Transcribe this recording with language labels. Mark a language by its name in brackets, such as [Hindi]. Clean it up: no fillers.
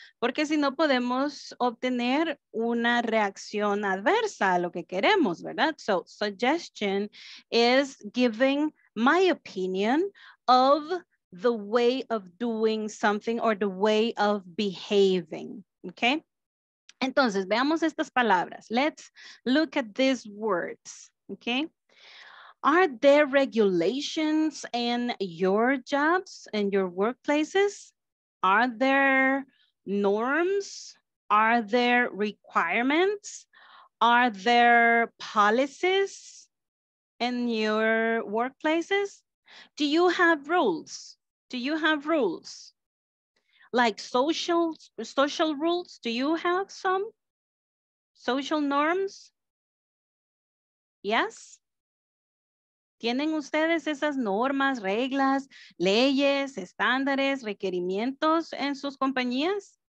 [Spanish] Porque si no podemos obtener una reacción adversa a lo que queremos, ¿verdad? [English] So, suggestion is giving my opinion of the way of doing something or the way of behaving, okay? [Spanish] Entonces, veamos estas palabras. [English] Let's look at these words. Okay, are there regulations in your jobs and your workplaces? Are there norms? Are there requirements? Are there policies in your workplaces? Do you have rules? Do you have rules? Like social rules, do you have some social norms? Yes? [Spanish] ¿Tienen ustedes esas normas, reglas, leyes, estándares, requerimientos en sus compañías?